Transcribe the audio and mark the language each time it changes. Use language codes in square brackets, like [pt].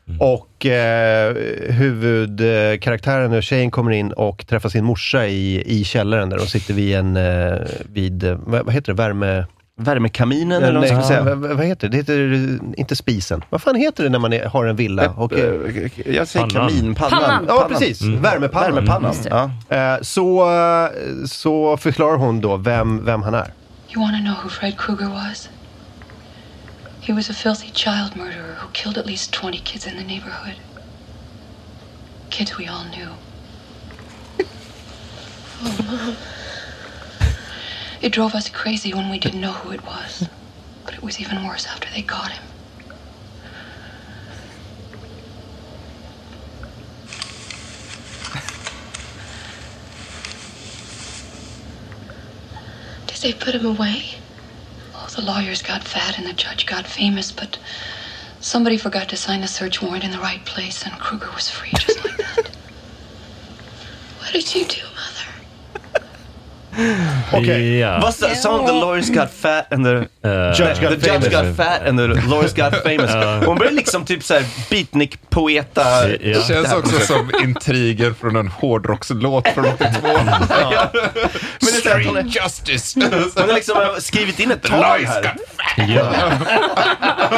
[sv] Och huvudkaraktären, tjejen, kommer in och träffar sin morsa i källaren där. Och sitter vid en, vad heter det, värmekaminen eller något sånt. Vad heter det? Det heter inte spisen. Vad fan heter det när man har en villa? Och, jag säger pannan. Kaminpannan. Ja, precis. Värmepannan. Värmepannan. Mm. Så förklarar hon då vem han är. [en] You want to know who Fred Krueger was? He was a filthy child murderer who killed at least 20 kids in the neighborhood. Kids we all knew. Oh, Mom. It drove us crazy when we didn't know who it was. But it was even worse after they caught him. Did they put him away? The lawyers got fat and the judge got famous, but somebody forgot to sign a search warrant in the right place and Krueger was free just like that. What did you do, mother? Okay. Yeah. What's the song? The lawyers got fat and the judge got fat and the lawyers got famous. [sv] Hon blir liksom typ så här beatnik poeta. [en] Yeah. [sv] Det känns också som intriger från en hårdrockslåt från 82. Men det är så här, justice. Hon har liksom skrivit in ett [en] lawyers [sv] här. [en] Got fat. Yeah.